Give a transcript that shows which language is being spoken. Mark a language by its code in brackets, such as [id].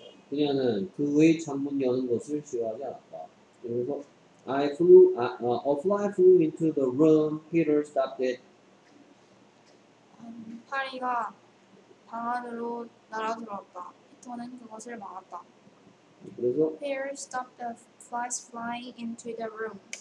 [ko] 그녀는 그의 창문 여는 것을 싫어하지 않았다. 그래서 [en] I flew, a fly flew into the room. Peter stopped it. [ko] 파리가 방 안으로 날아들었다. 피터는 그것을 막았다. 그래서 [en] Peter stopped the flies flying into the room.